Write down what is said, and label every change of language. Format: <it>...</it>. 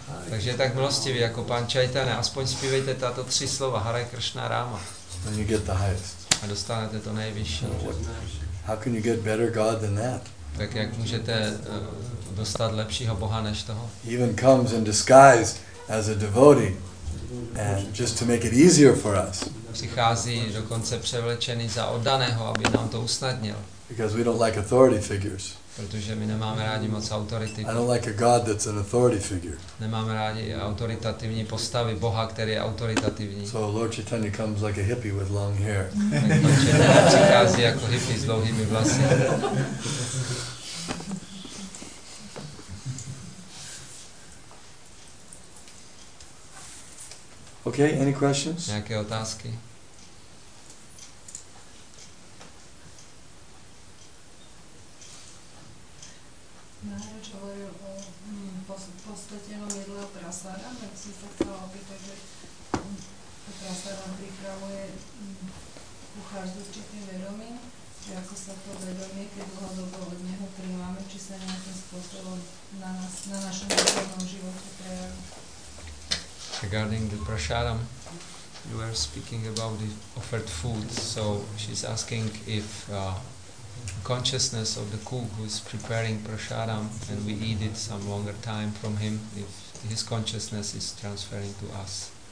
<cs>Takže tak milostivý jako pan Chaitanya, aspoň zpívejte tato tři slova: Hare Krishna Rama.</cs> <en>Then you get the highest.</en> <cs>A dostanete to nejvyšší.</cs> <en>How can you get better God than that?</en> <cs>Tak jak můžete dostat lepšího Boha než toho?</cs> <en>He even comes in disguise as a devotee, and just to make it easier for us.</en> <cs>Přichází dokonce převlečený za oddaného, aby nám to usnadnil.</cs> <en>Because we don't like authority figures.</en> <cs>Protože my nemáme rádi moc autority.</cs> <en>I don't like a God that's an authority figure.</en> <cs>Nemáme rádi autoritativní postavy Boha, který je autoritativní.</cs> <en>So Lord Chaitanya comes like a hippie with long hair.</en> <cs>Přichází jako hippie s dlouhými vlasy.</cs> <en>Okay, any questions?</en> <cs>Nějaké otázky?</cs> <sk>Maharaj hovoril o podstatě jenom jedlého prasára, tak jsem se chtěla opýtat, že prasára připravuje kuchař s určitým vědomím, že jako se to vědomí, když dlouhodobo od něho přijímáme, či se nějakým způsobem na našem duchovním životě projeví.</sk> <en>Regarding the prasadam, you were speaking about the offered food, so she's asking if consciousness of the cook who is preparing prasadam and we eat it some longer time from him, if his consciousness is transferring to us.</en>